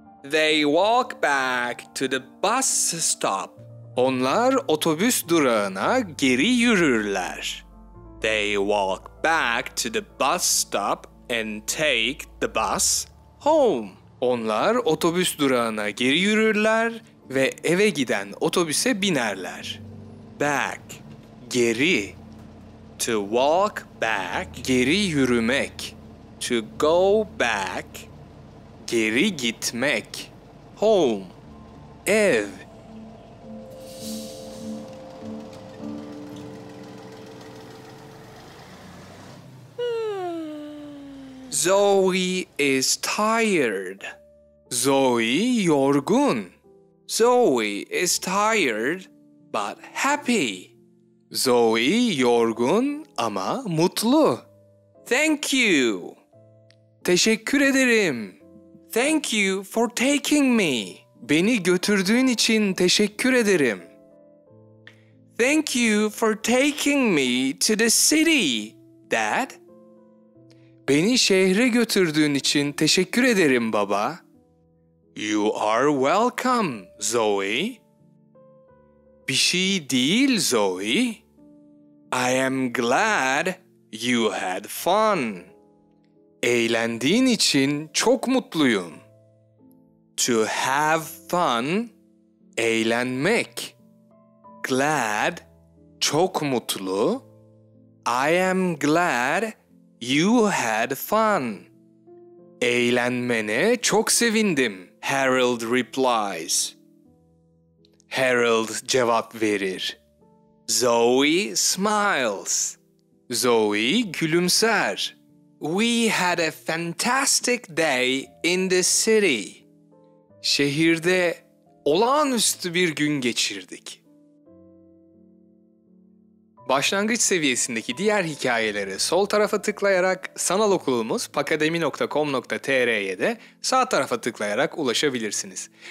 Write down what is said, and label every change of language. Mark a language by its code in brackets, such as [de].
[en] They walk back to the bus stop. [tr] Onlar otobüs durağına geri yürürler. [en] They walk back to the bus stop and take the bus home. [tr] Onlar otobüs durağına geri yürürler ve eve giden otobüse binerler. [en] Back. [tr] Geri. [en] To walk back. [tr] Geri yürümek. [en] To go back. [tr] Geri gitmek. [en] Home. [tr] Ev. [en] Zoe is tired. [tr] Zoe yorgun. [en] Zoe is tired but happy. [tr] Zoe yorgun ama mutlu. [en] Thank you. [tr] Teşekkür ederim. [en] Thank you for taking me. [tr] Beni götürdüğün için teşekkür ederim. [en] Thank you for taking me to the city, Dad. [tr] Beni şehre götürdüğün için teşekkür ederim baba. [en] You are welcome, Zoe. [tr] Bir şey değil, Zoe. [en] I am glad you had fun. [tr] Eğlendiğin için çok mutluyum. [en] To have fun, [tr] eğlenmek. [en] Glad, [tr] çok mutlu. [en] I am glad you had fun. [tr] Eğlenmene çok sevindim, [en] Harold replies. [tr] Harold cevap verir. [en] Zoe smiles. [tr] Zoe gülümser. [en] We had a fantastic day in the city. [tr] Şehirde olağanüstü bir gün geçirdik. Başlangıç seviyesindeki diğer hikayeleri sol tarafa tıklayarak sanal okulumuz pakademi.com.tr'ye de sağ tarafa tıklayarak ulaşabilirsiniz.